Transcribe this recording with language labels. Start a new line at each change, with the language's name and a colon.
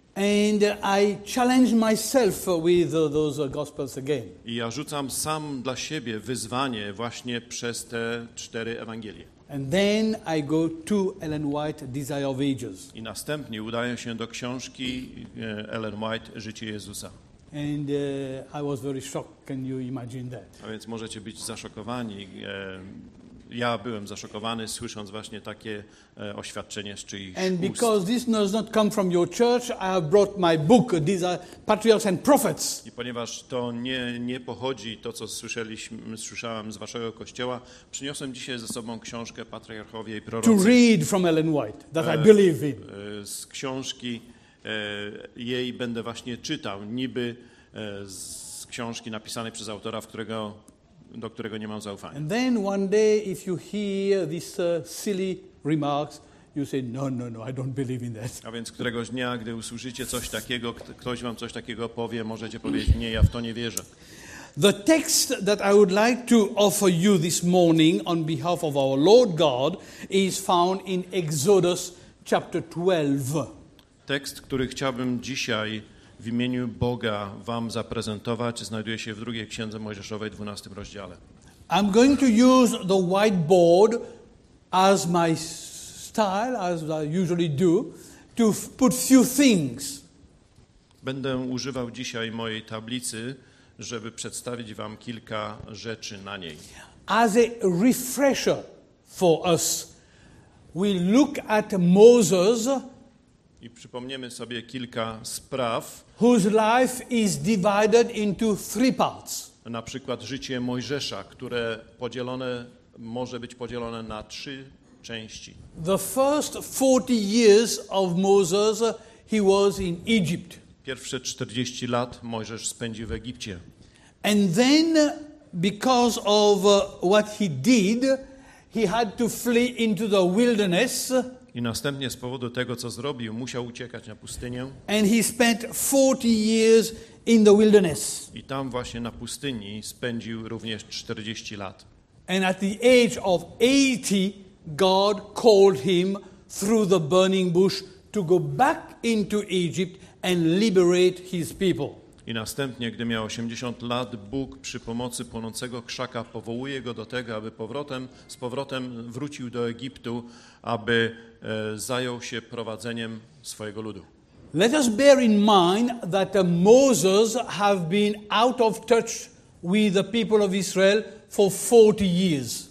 English: And I challenge myself with those Gospels again.
Polish: I ja rzucam sam dla siebie wyzwanie właśnie przez te cztery Ewangelie.
English: And then I go to Ellen White, Desire of Ages.
Polish: I następnie udaję się do książki Ellen White, Życie Jezusa.
English: And I was very shocked. Can you imagine that?
Polish: A więc możecie być zaszokowani. Ja byłem zaszokowany, słysząc właśnie takie oświadczenie z czyichś ust.
English: And because this does not come from your church, I have brought my book, Desire, Patriots and Prophets.
Polish: I ponieważ to nie pochodzi, to co słyszałem z waszego kościoła, przyniosłem dzisiaj ze sobą książkę Patriarchowie i Prorocy.
English: To read from Ellen White, that I believe in.
Polish: Z książki jej będę właśnie czytał, niby z książki napisanej przez autora, do którego nie mam zaufania.
English: And then one day if you hear these silly remarks, you say no, I don't believe in that.
Polish: A więc któregoś dnia, gdy usłyszycie coś takiego, ktoś wam coś takiego powie, możecie powiedzieć nie, ja w to nie wierzę.
English: The text that I would like to offer you this morning on behalf of our Lord God is found in Exodus chapter 12.
Polish: Tekst, który chciałbym dzisiaj w imieniu Boga wam zaprezentować, znajduje się w drugiej księdze Mojżeszowej, 12 rozdziale.
English: I'm going to use the whiteboard as my style, as I usually do, to put few things.
Polish: Będę używał dzisiaj mojej tablicy, żeby przedstawić wam kilka rzeczy na niej.
English: As a refresher for us, we look at Moses.
Polish: I przypomnimy sobie kilka spraw,
English: whose life is divided into three parts.
Polish: Na przykład życie Mojżesza, które podzielone może być podzielone na trzy części.
English: The first 40 years of Moses, he was in Egypt.
Polish: Pierwsze 40 lat Mojżesz spędził w Egipcie.
English: And then, because of what he did, he had to flee into the wilderness.
Polish: I następnie z powodu tego, co zrobił, musiał uciekać na pustynię.
English: And he spent 40 years in the wilderness.
Polish: I tam właśnie na pustyni spędził również 40 lat.
English: And at the age of 80, God called him through the burning bush to go back into Egypt and liberate his people.
Polish: I następnie, gdy miał 80 lat, Bóg przy pomocy płonącego krzaka powołuje go do tego, aby z powrotem wrócił do Egiptu, aby zajął się prowadzeniem swojego ludu.
English: Let us bear in mind that Moses have been out of touch with the people of Israel for 40 years.